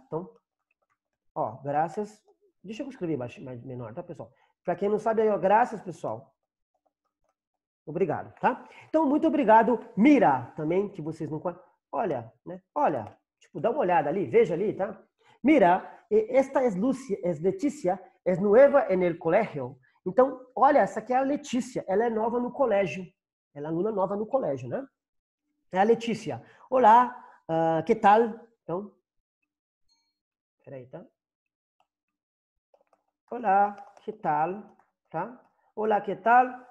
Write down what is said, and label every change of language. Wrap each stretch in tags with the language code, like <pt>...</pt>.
<pt>Então, ó,</pt> <es>gracias,</es> <pt>deixa eu escrever mais menor, tá, pessoal? Pra quem não sabe, aí, ó,</pt> <es>gracias,</es> <pt>pessoal. Obrigado, tá? Então, muito obrigado, Mira, também, que vocês não conhecem. Olha, né? Olha, tipo, dá uma olhada ali, veja ali, tá?</pt> <es>Mira, esta es Lucia, es Letícia, es nueva en el colegio.</es> <pt>Então, olha, essa aqui é a Letícia, ela é nova no colégio. Ela é aluna nova no colégio, né? É a Letícia.</pt> <es>Olá, que tal?</es> <pt>Então, peraí, tá?</pt> <es>Olá, que tal? Tá? Olá, que tal?</es>